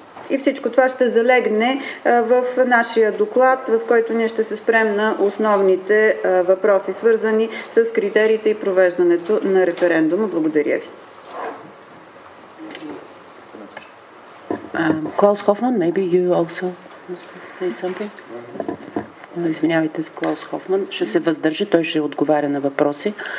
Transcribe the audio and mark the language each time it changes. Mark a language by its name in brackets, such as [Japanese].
[Bulgarian] И всичко това ще залегне в нашия доклад, в който ние ще се спрем на основните въпроси, свързани с критериите и провеждането на референдума. Благодаря ви. [English] Клаус Хофман, maybe you also say something? [Bulgarian] Извинявайте, за Клаус Хофман. Ще се въздържи, той ще отговаря на въпроси.